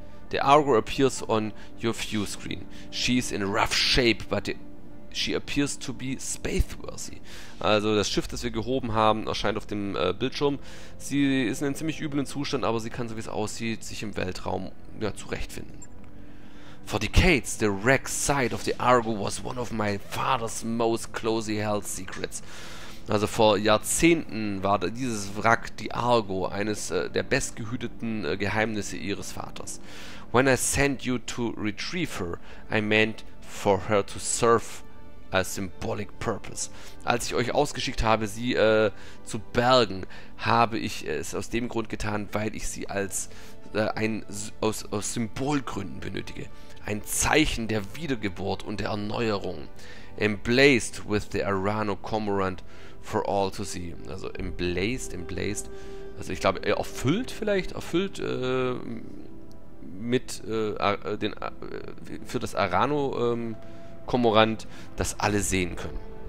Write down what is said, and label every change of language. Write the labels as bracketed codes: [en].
[en] The Argo appears on your view screen. She is in rough shape, but she appears to be spaceworthy. [de] Also das Schiff, das wir gehoben haben, erscheint auf dem Bildschirm. Sie ist in einem ziemlich üblen Zustand, aber sie kann, so wie es aussieht, sich im Weltraum zurechtfinden. [en] For decades, the wrecked side of the Argo was one of my father's most closely held secrets. [de] Also vor Jahrzehnten war dieses Wrack, die Argo, eines der bestgehüteten Geheimnisse ihres Vaters. [en] When I sent you to retrieve her, I meant for her to serve a symbolic purpose. [de] Als ich euch ausgeschickt habe, sie zu bergen, habe ich es aus dem Grund getan, weil ich sie als aus Symbolgründen benötige. Ein Zeichen der Wiedergeburt und der Erneuerung. [en] Emblazed with the Arano Cormorant for all to see. [de] Also emblazed. Also ich glaube, erfüllt vielleicht. Erfüllt mit für das Arano Cormorant, das alle sehen können.